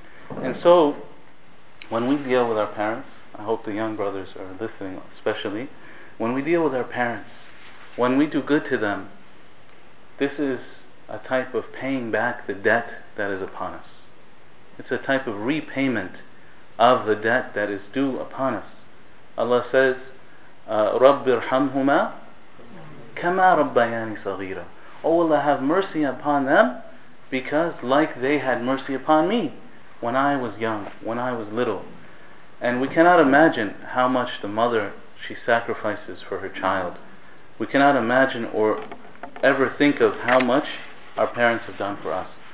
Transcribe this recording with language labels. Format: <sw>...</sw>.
<en>And so, when we deal with our parents, I hope the young brothers are listening especially, when we deal with our parents, when we do good to them, this is a type of paying back the debt that is upon us. It's a type of repayment of the debt that is due upon us. Allah says,</en> <ar>رَبِّ ارْحَمْهُمَا كَمَا رَبَّيَانِ صَغِيرًا.</ar> <en>Oh Allah, have mercy upon them because like they had mercy upon me when I was young, when I was little. And we cannot imagine how much the mother, she sacrifices for her child. We cannot imagine or ever think of how much our parents have done for us.</en>